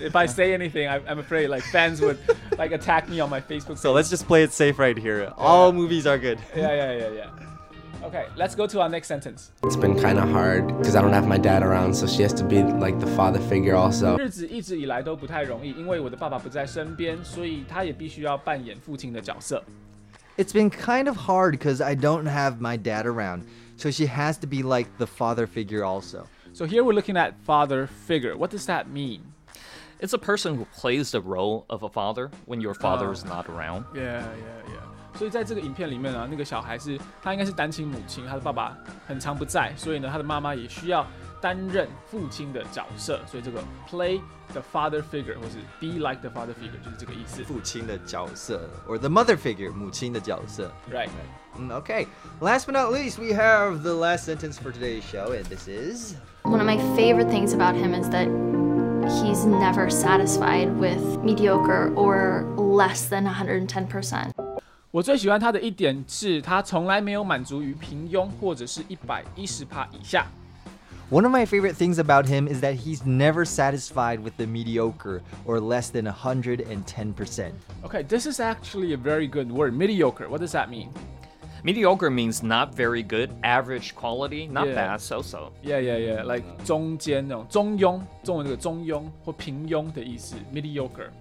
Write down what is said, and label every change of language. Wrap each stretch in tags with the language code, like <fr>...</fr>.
<en>If I say anything, I'm afraid like fans would like attack me on my Facebook page. So let's just play it safe right here. All movies are good. Yeah. Okay, let's go to our next sentence. It's been kind of hard because I don't have my dad around, so she has to be like the father figure also.</en> <zh>日子一直以来都不太容易，因为我的爸爸不在身边，所以他也必须要扮演父亲的角色。</zh> <en>It's been kind of hard because I don't have my dad around, so she has to be like the father figure also. So here we're looking at father figure. What does that mean? It's a person who plays the role of a father when your father is not around. Yeah.</en> <zh>所以在这个影片里面啊，那个小孩是他应该是单亲母亲，他的爸爸很常不在，所以呢，他的妈妈也需要担任父亲的角色。所以这个</zh> <en>play the father figure</en> <zh>或是</zh> <en>be like the father figure</en> <zh>就是这个意思。父亲的角色</zh> <en>or the mother figure</en> <zh>母亲的角色。</zh> <en>Right. Okay. Last but not least, we have the last sentence for today's show, and this is one of my favorite things about him is that. He's never satisfied with mediocre or less than 110%.</en> <zh>我最喜欢他的一点是他从来没有满足于平庸或者是110%以下。</zh> <en>One of my favorite things about him is that he's never satisfied with the mediocre or less than 110%. Okay, this is actually a very good word. Mediocre, what does that mean? Mediocre means not very good, average quality, not bad, so-so. Yeah. Like</en> <zh>中间那种, 中庸, 中文这个中庸, 或平庸的意思, mediocre.</zh>